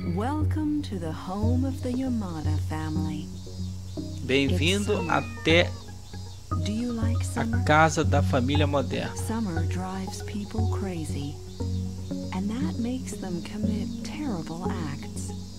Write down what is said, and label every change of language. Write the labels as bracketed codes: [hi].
[en] Welcome to the home of the Yamada family. [pt] Bem-vindo até a casa da família moderna. [en] Summer drives people crazy, and that makes them commit terrible acts.